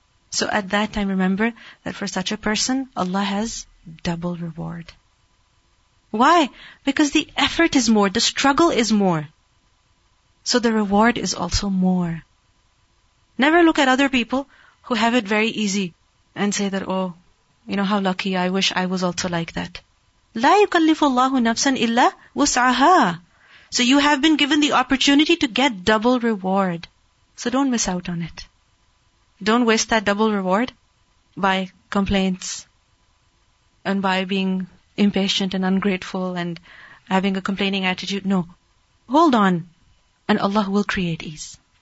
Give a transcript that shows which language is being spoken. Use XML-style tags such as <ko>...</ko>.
<en>So at that time, remember that for such a person, Allah has double reward. Why? Because the effort is more, the struggle is more. So the reward is also more. Never look at other people who have it very easy and say that, oh, you know how lucky, I wish I was also like that.</en> <ar>لا يكلف الله نفسا إلا وسعها.</ar> <en>So you have been given the opportunity to get double reward. So don't miss out on it. Don't waste that double reward by complaints and by being impatient and ungrateful and having a complaining attitude. No. Hold on. And Allah will create ease.</en>